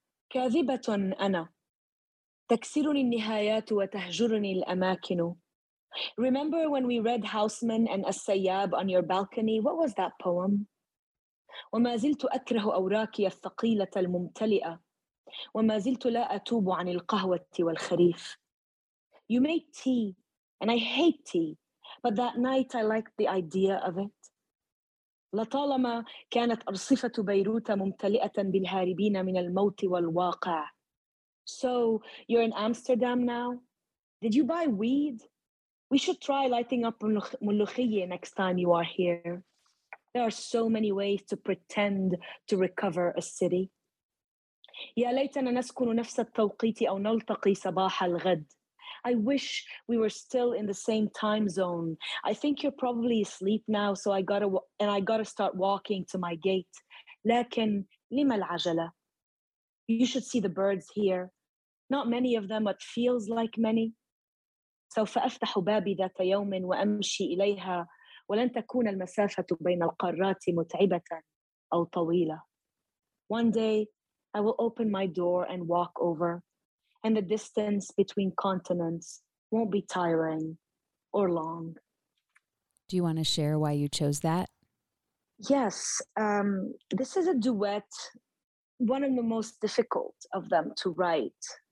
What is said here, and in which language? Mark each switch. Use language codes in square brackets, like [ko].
[ar] كاذبةٌ أنا تكسرني النهايات وتهجرني الأماكن. [en] Remember when we read Houseman and As-Sayyab on your balcony? What was that poem? [ar] وما زلت أكره أوراقي الثقيلة الممتلئة وما زلت لا أتوب عن القهوة والخريف. [en] You make tea, and I hate tea, But that night, I liked the idea of it. [ar] لطالما كانت أرصفة بيروت ممتلئة بالهاربين من الموت والواقع. [en] So you're in Amsterdam now? Did you buy weed? We should try lighting up ملوخية next time you are here. There are so many ways to pretend to recover a city. [ar] يا ليتنا نسكن نفس التوقيت أو نلتقي صباح الغد. [en] I wish we were still in the same time zone. I think you're probably asleep now, so I gotta start walking to my gate. [ar] لكن لما العجلة? [en] You should see the birds here. Not many of them, but feels like many. [ar] سوف أفتح بابي ذات يوم وأمشي إليها ولن تكون المسافة بين القارات متعبة أو طويلة. [en] One day, I will open my door and walk over, and the distance between continents won't be tiring or long. Do you want to share why you chose that? Yes. This is a duet, one of the most difficult of them to write.